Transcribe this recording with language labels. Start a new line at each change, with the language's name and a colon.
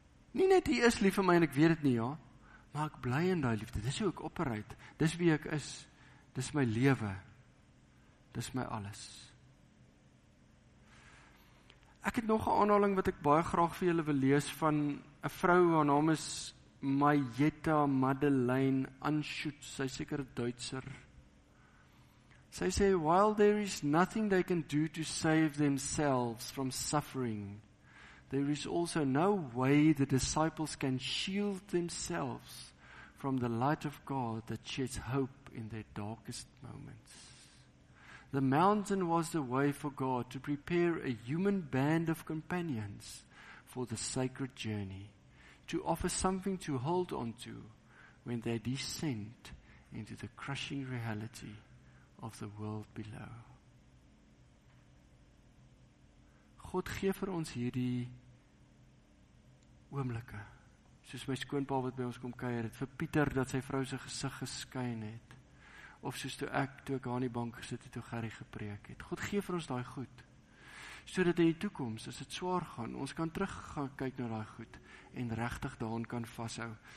Afrikaans: Nie net hier is lief vir my en ek weet dit nie, ja, maar ek bly in daai liefde. Dis hoe ek operate. Dis wie ek is. Dis my lewe. Dis my alles. Ek het nog 'n aanhaling wat ek baie graag vir julle wil lees van 'n vrou, haar naam is Mayetta Madeleine Anschutz, sy is seker Duitser. Sy sê,
English: while there is nothing they can do to save themselves from suffering, there is also no way the disciples can shield themselves from the light of God that sheds hope in their darkest moments. The mountain was the way for God to prepare a human band of companions for the sacred journey, to offer something to hold on to when they descend into the crushing reality of the world below.
Afrikaans: God gee vir ons hierdie oomblikke, soos my skoonpa wat by ons kom kuier het, vir Pieter dat sy vrou sy gesig geskyn het, of soos toe ek aan die bank gesit het, toe Gerry gepreek het. God gee vir ons die goed, sodat in die toekoms, as het swaar gaan, ons kan terug gaan kyk na die goed, en regtig daarin kan vashou.